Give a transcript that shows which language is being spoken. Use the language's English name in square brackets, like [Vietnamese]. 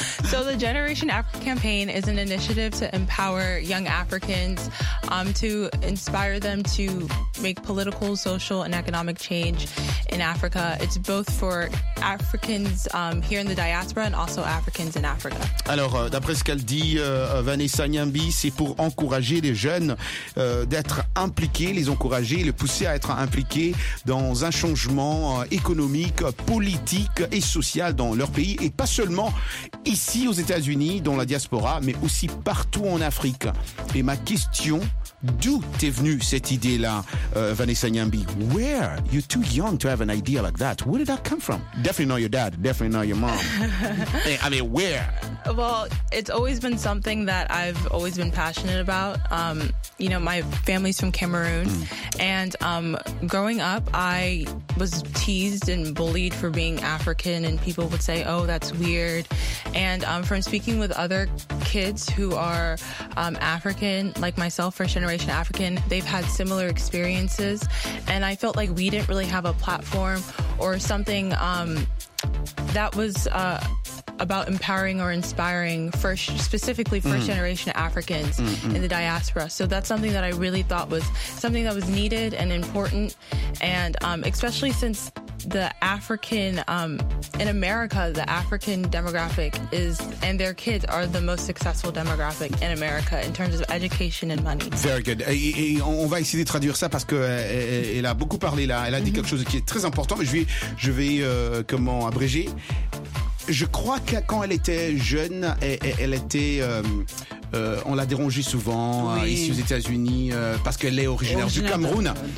[English] So the Generation Africa campaign is an initiative to empower young Africans, to inspire them to make political, social, and economic change in Africa. It's both for Africans here in the diaspora and also Africans in Africa. [French] Alors, d'après ce qu'elle dit, Vanessa Nyambi, c'est pour encourager les jeunes d'être impliqués, les encourager, les pousser à être impliqués dans un changement économique, politique et social dans leur pays, et pas seulement ici aux États-Unis, dans la diaspora, mais aussi partout en Afrique. Et ma question, d'où t'es venue cette idée-là, Vanessa Nyambi? [English] Where? You're too young to have an idea like that. Where did that come from? Definitely not your dad, definitely not your mom. I mean, where? Well, it's always been something that I've always been passionate about. You know, my family's from Cameroon, and growing up, I was teased and bullied for being African, and people would say, oh, that's weird. And from speaking with other kids who are African, like myself, first generation African, they've had similar experiences. And I felt like we didn't really have a platform or something that was about empowering or inspiring specifically first generation Africans in the diaspora. So that's something that I really thought was something that was needed and important. And especially since the African in America, the African demographic is, and their kids are the most successful demographic in America in terms of education and money. Very good. [French] Et on va essayer de traduire ça parce que elle a beaucoup parlé là. Elle a dit quelque chose qui est très important, mais je vais comment abréger. Je crois que quand elle était jeune, elle était, on l'a dérangée souvent ici aux États-Unis parce qu'elle est originaire du Cameroun.